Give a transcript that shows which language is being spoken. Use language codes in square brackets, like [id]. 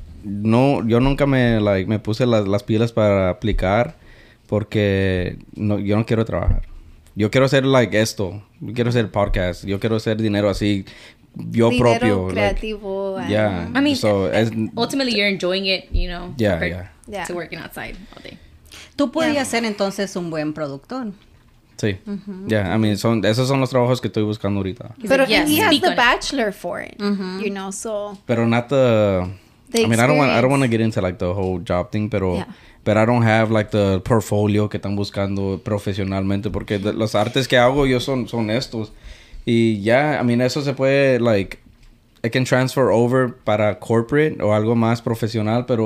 [es] No, yo nunca me puse las pilas para aplicar porque yo no quiero trabajar. Yo quiero hacer like esto, yo quiero hacer podcast, yo quiero hacer dinero así, propio. Dinero creativo. [en] Like, yeah. I mean, so, ultimately you're enjoying it, you know, yeah. to working outside all day. [es] Tú podrías ser entonces un buen productor. Sí. Mm-hmm. [en] Yeah, I mean, [es] esos son los trabajos que estoy buscando ahorita. Pero [en] he has the bachelor for it, mm-hmm. you know, so... Pero not the... I don't want to get into like the whole job thing, but I don't have like the portfolio [es] que están buscando profesionalmente porque los artes que hago yo son estos. [en] Y yeah, I mean, [es] eso se puede [en] like it can transfer over [es] para [en] corporate [es] o algo más profesional,